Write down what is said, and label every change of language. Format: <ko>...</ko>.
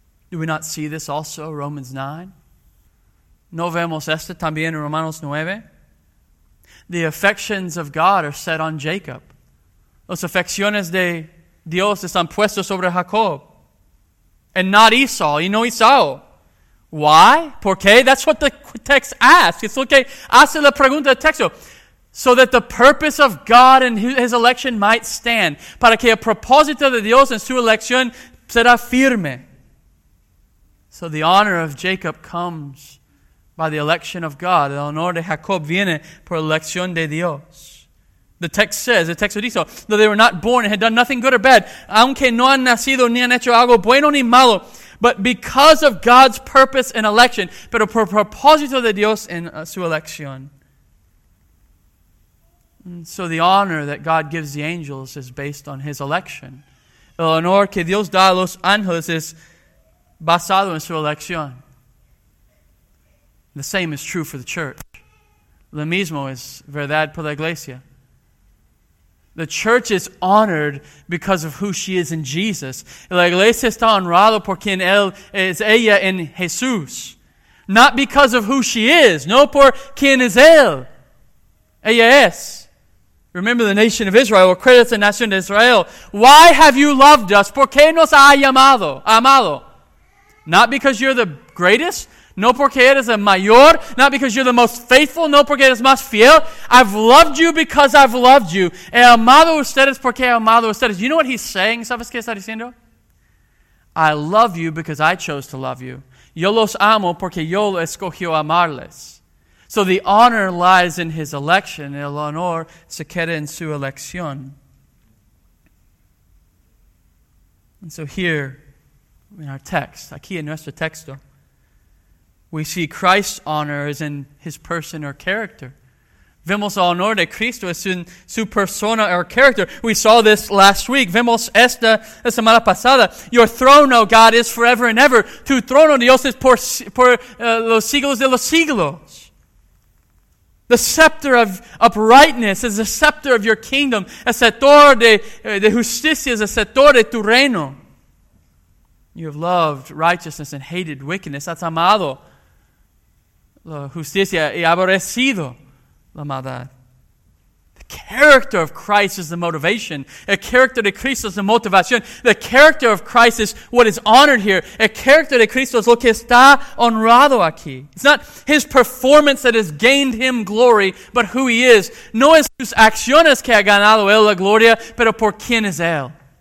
<en>Do we not see this also in Romans 9?</en> <es>¿No vemos esto también en Romanos 9?</es> <en>The affections of God are set on Jacob.</en> <es>Las afecciones de Dios están puestas sobre Jacob.</es> <en>And not Esau,</en> <es>y no Esau.</es> <en>Why?</en> <es>¿Por qué?</es> <en>That's what the text asks. It's okay.</en> <es>Hace la pregunta del texto.</es> <en>So that the purpose of God and His election might stand.</en> <es>Para que el propósito de Dios en su elección será firme.</es> <en>So the honor of Jacob comes by the election of God.</en> <es>El honor de Jacob viene por elección de Dios.</es> <en>The text says, the text of Esau, though they were not born and had done nothing good or bad,</en> <es>aunque no han nacido ni han hecho algo bueno ni malo,</es> <en>but because of God's purpose and election,</en> <es>pero por propósito de Dios en su elección.</es> <en>And so the honor that God gives the angels is based on His election.</en> <es>El honor que Dios da a los ángeles es basado en su elección.</es> <en>The same is true for the church.</en> <es>Lo mismo es verdad por la iglesia.</es> <en>The church is honored because of who she is in Jesus.</en> <es>La iglesia está honrada por quien es ella en Jesús.</es> <en>Not because of who she is.</en> <es>No por quien es él. Ella es.</es> <en>Remember the nation of Israel, or credit the nation of Israel. Why have you loved us?</en> <es>¿Por qué nos ha llamado? Amado.</es> <en>Not because you're the greatest. No porque eres el mayor. Not because you're the most faithful.</en> <es>No porque eres más fiel.</es> <en>I've loved you because I've loved you.</en> <es>He amado ustedes porque he amado ustedes.</es> <en>You know what he's saying?</en> <es>¿Sabes qué está diciendo?</es> <en>I love you because I chose to love you.</en> <es>Yo los amo porque yo escogió amarles.</es> <en>So the honor lies in his election.</en> <es>El honor se queda en su elección.</es> <en>And so here in our text,</en> <es>aquí en nuestro texto,</es> <en>we see Christ's honor is in his person or character.</en> <es>Vemos el honor de Cristo es en su persona</es> <en>or character. We saw this last week.</en> <es>Vemos esta la semana pasada.</es> <en>Your throne, oh God, is forever and ever.</en> <es>Tu trono, Dios, es por los siglos de los siglos.</es> <en>The scepter of uprightness is the scepter of your kingdom.</en> <es>El scepter de justicia es el scepter de tu reino.</es> <en>You have loved righteousness and hated wickedness.</en> <es>Has amado la justicia y aborrecido la maldad.</es> <en>The character of Christ is the motivation.</en> <es>El character de Cristo es la motivación.</es> <en>The character of Christ is what is honored here.</en> <es>El character de Cristo es lo que está honrado aquí.</es> <en>It's not his performance that has gained him glory, but who he is.</en> <es>No es sus acciones que ha ganado él la gloria, pero por quién es él.</es>